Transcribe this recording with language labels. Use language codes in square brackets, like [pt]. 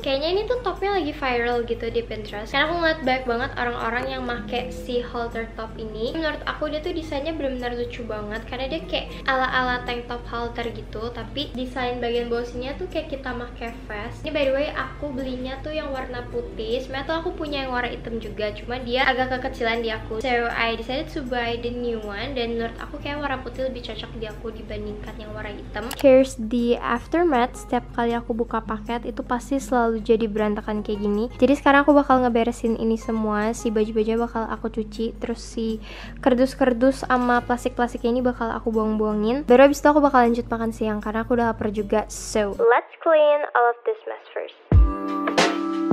[id] Kayaknya ini tuh topnya lagi viral gitu di Pinterest, karena aku ngeliat banyak banget orang-orang yang make si halter top ini. Menurut aku dia tuh desainnya benar-benar lucu banget, karena dia kayak ala-ala tank top halter gitu, tapi desain bagian bawahnya tuh kayak kita make vest. Ini by the way, aku belinya tuh yang warna putih. Sebenernya tuh aku punya yang warna hitam juga, cuma dia agak kekecilan di aku. [en] So I decided to buy the new one. [id] Dan menurut aku kayak warna putih lebih cocok di aku dibandingkan yang warna hitam. [en] Here's the aftermath. [id] Setiap kali aku buka paket itu pasti selalu jadi berantakan kayak gini. Jadi sekarang aku bakal ngeberesin ini semua. Si baju-baju bakal aku cuci, terus si kerdus-kerdus sama plastik-plastik ini bakal aku buang-buangin. Baru abis itu aku bakal lanjut makan siang karena aku udah lapar juga. [en] So, let's clean all of this mess first.